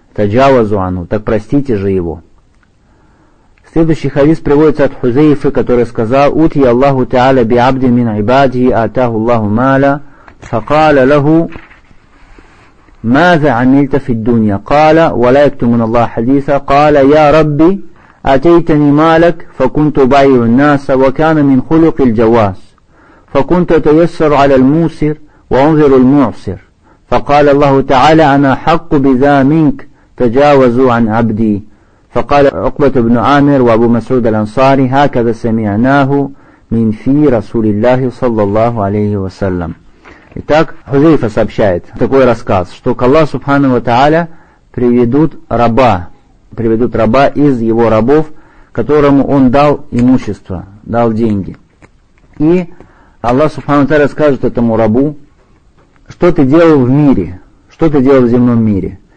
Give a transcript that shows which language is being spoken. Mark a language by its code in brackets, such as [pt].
[ar] Таджавазу ану, [ru] так простите же его. Следующий хадис приводится от Хузейфы, который сказал: [ar] «Ути Аллаху Тааля би абди мин ибадии, атаху Аллаху маля, факала лаху: ماذا عملت في الدنيا؟ قال: ولا يكتمن الله حديثا. قال: يا ربي أتيتني مالك فكنت بايع الناس وكان من خلق الجواس فكنت تيسر على الموسر وأنذر المعسر. فقال الله تعالى: أنا حق بذا منك تجاوزوا عن عبدي. فقال عقبة بن عامر وأبو مسعود الأنصاري: هكذا سمعناه من في رسول الله صلى الله عليه وسلم». [ru] Итак, Хузейфа сообщает такой рассказ, что к Аллаху Субхану ва Тааля приведут раба из его рабов, которому он дал имущество, дал деньги. И Аллах Субхану ва Тааля скажет этому рабу: что ты делал в мире, что ты делал в земном мире.